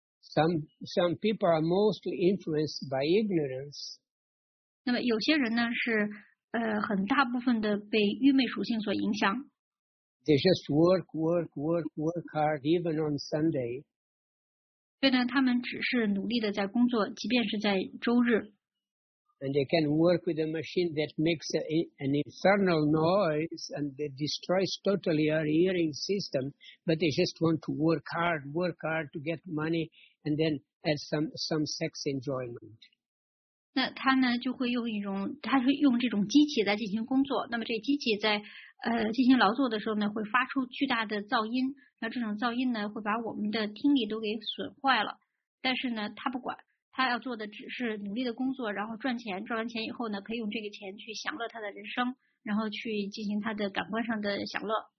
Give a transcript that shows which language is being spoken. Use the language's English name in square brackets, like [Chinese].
[English] Some people are mostly influenced by ignorance. [Chinese] 那么有些人呢是很大部分的被愚昧属性所影响。 [English] They just work hard even on Sunday. [Chinese] 对呢，他们只是努力的在工作，即便是在周日。 [English] And they can work with a machine that makes an infernal noise and that destroys totally our hearing system, but they just want to work hard to get money and then add some sex enjoyment. [Chinese] 那他呢就会用一种，他会用这种机器来进行工作。那么这机器在进行劳作的时候呢，会发出巨大的噪音。那这种噪音呢，会把我们的听力都给损坏了。但是呢，他不管。他要做的只是努力的工作，然后赚钱，赚完钱以后呢，可以用这个钱去享乐他的人生，然后去进行他的感官上的享乐。